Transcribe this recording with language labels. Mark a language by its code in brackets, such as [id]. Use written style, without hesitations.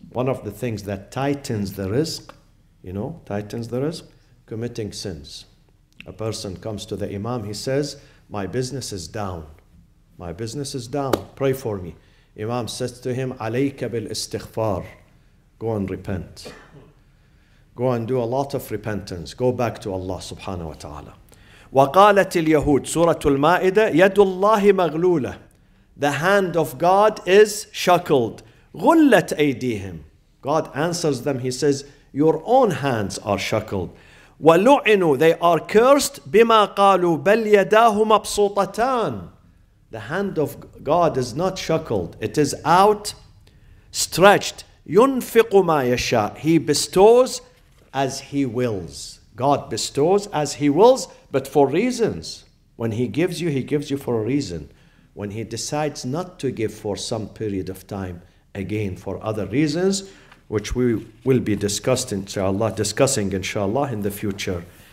[en] One of the things that tightens the risk, you know, tightens the risk, committing sins. A person comes to the imam, he says, my business is down. My business is down. Pray for me. Imam says to him, [ar] alayka bil istighfar. [en] Go and repent. Go and do a lot of repentance. Go back to Allah subhanahu wa ta'ala. [ar] وقالت اليهود سورة المائدة يد الله مغلولة. [en] The hand of God is shackled. [ar] غلت أيديهم. [en] God answers them. He says, your own hands are shackled. [ar] ولعنوا. [en] They are cursed. [ar] بما قالوا بل يداه مبسوطتان. [en] The hand of God is not shackled. It is out stretched. [ar] ينفق ما يشاء. [en] He bestows as he wills. God bestows as he wills, but for reasons. When he gives you for a reason. When he decides not to give for some period of time, again, for other reasons, which we will be discussing, inshallah, in the future.